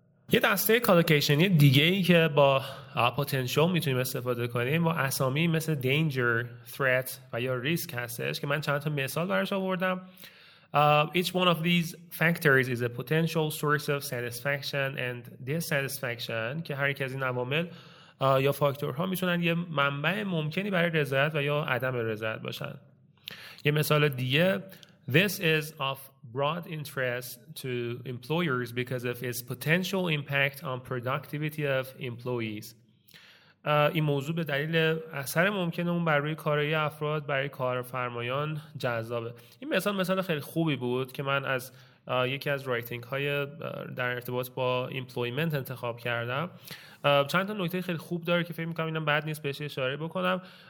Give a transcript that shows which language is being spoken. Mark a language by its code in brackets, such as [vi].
[fa] یه دسته کالوکیشنی دیگه ای که با پتانسیل میتونیم استفاده کنیم و اسامی مثل danger، threat و یا risk هستش که من چند تا مثال براش آوردم. [en] Each one of these factors is a potential source of satisfaction and dissatisfaction، [fa] که هر یک از این عوامل یا فاکتورها میتونن یه منبع ممکنی برای رضایت و یا عدم رضایت باشن. یه مثال دیگه، [en] This is of broad interest to employers because of its potential impact on productivity of employees. [fa] این موضوع به دلیل اثر ممکن اون بر روی کارهای افراد برای کارفرمایان جذابه. این مثال خیلی خوبی بود که من از یکی از رایتینگ های در ارتباط با ایمپلویمنت انتخاب کردم. چند تا نکته خیلی خوب داره که فکر می‌کنم اینا بد نیست بهش اشاره بکنم.